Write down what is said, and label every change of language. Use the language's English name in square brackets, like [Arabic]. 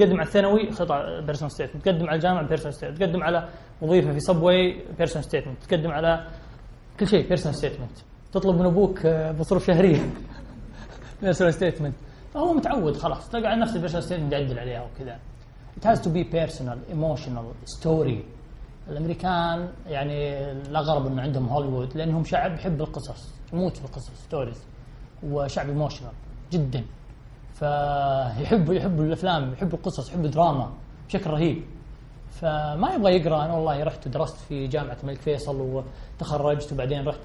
[Arabic] تقدم على الثانوي خطاب بيرسونال ستيتمنت، تقدم على الجامعة بيرسونال ستيتمنت، تقدم على وظيفة في سبوي بيرسونال ستيتمنت، تقدم على كل شيء بيرسونال ستيتمنت، تطلب من ابوك بصروف شهرية بيرسونال ستيتمنت. فهو متعود خلاص، تلقى على نفس البشر سين يدلل عليها وكذا. [English] It has to be personal, emotional story. [Arabic] الأمريكان يعني الأغرب إنه عندهم هوليوود، لأنهم شعب يحب القصص، يموت في القصص stories، وشعب emotional جدا، فيحب الأفلام، يحب القصص، يحب الدراما بشكل رهيب. فما يبغى يقرأ. أنا والله رحت ودرست في جامعة الملك فيصل وتخرجت وبعدين رحت.